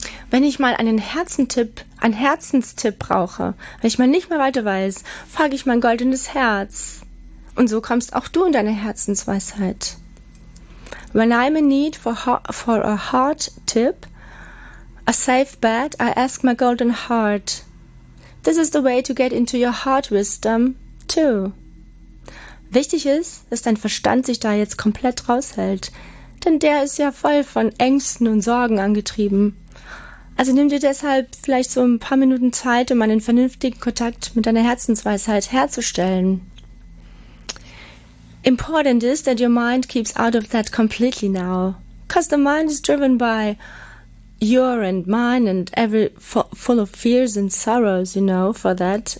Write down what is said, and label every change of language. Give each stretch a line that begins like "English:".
German: Wenn ich mal einen Herzenstipp brauche, wenn ich mal nicht mehr weiter weiß, frage ich mein goldenes Herz. Und so kommst auch du in deine Herzensweisheit.
English: When I'm in need for a heart tip, a safe bed, I ask my golden heart. This is the way to get into your heart wisdom too.
German: Wichtig ist, dass dein Verstand sich da jetzt komplett raushält. Denn der ist ja voll von Ängsten und Sorgen angetrieben. Also nimm dir deshalb vielleicht so ein paar Minuten Zeit, um einen vernünftigen Kontakt mit deiner Herzensweisheit herzustellen.
English: Important is that your mind keeps out of that completely now. Because the mind is driven by your and mine and every full of fears and sorrows, you know, for that.